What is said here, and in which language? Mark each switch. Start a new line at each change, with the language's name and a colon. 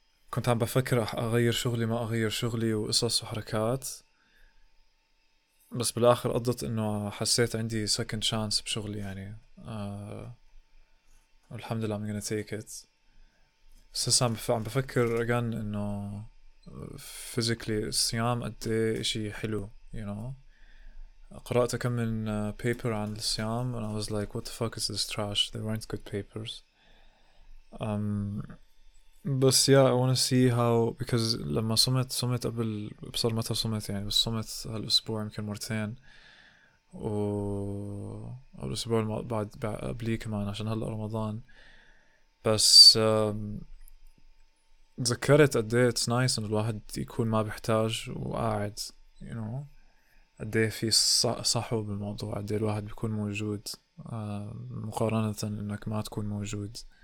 Arabic: كنت عم بفكر أغير شغلي ما أغير شغلي وقصص وحركات، بس بالآخر قضت إنه حسيت عندي
English: second chance
Arabic: بشغلي يعني.
English: الحمد لله I'm gonna take it.
Arabic: بس لسا عم بفكر again إنه physically الصيام قد إيه إشي حلو.
English: you know
Arabic: قرأت كم من
English: paper عن الصيام and I was like what the fuck is this trash, there weren't good papers.
Arabic: بس
English: yeah I wanna see how, because
Arabic: لما صمت قبل بصر متى صمت يعني، بس صمت هالأسبوع يمكن مرتين و الأسبوع بعد قبليه كمان عشان هلا رمضان. بس تذكرت قد ايه
English: it's nice
Arabic: ان الواحد يكون ما بيحتاج وقاعد،
English: you know
Arabic: قد ايه في صحو بالموضوع، قد ايه الواحد بيكون موجود مقارنة انك ما تكون موجود.